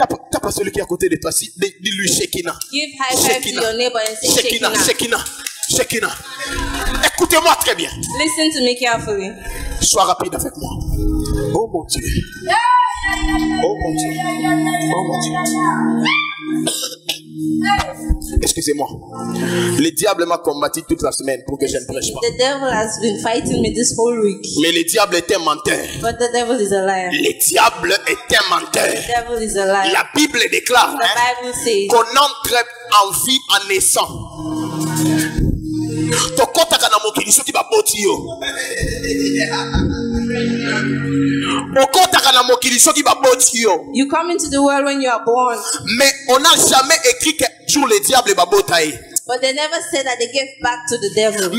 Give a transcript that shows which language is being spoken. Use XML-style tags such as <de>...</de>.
<fr>T'as pas celui qui est à côté de toi, dis-lui Shekinah.</fr> <en>Give high five to your neighbor and say Shekinah.</en> <fr>Shekinah. Shekinah. Écoutez-moi très bien.</fr> <en>Listen to me carefully.</en> <fr>Sois rapide avec moi. Oh mon Dieu. Yeah. Oh mon Dieu. Yeah. Oh mon Dieu. Yeah. Excusez-moi. Le diable m'a combattu toute la semaine pour que je ne prêche pas.</fr> <en>The devil has been fighting me this whole week.</en> <fr>Mais le diable est un menteur.</fr> <en>But the devil is a liar.</en> <fr>Le diable est un menteur.</fr> <en>The devil is a liar.</en> <fr>La Bible déclare,</fr> <en>the Bible says,</en> <fr>qu'on entre en vie en naissant.</fr> <ln>To kota kana mokili soki ba botio. Okota kana mokili soki ba botio.</ln> <en>You come into the world when you are born.</en> <fr>Mais on a jamais écrit que jour le diable</fr> <ln>ba botaye.</ln> <en>But they never said that they gave back to the devil.</en>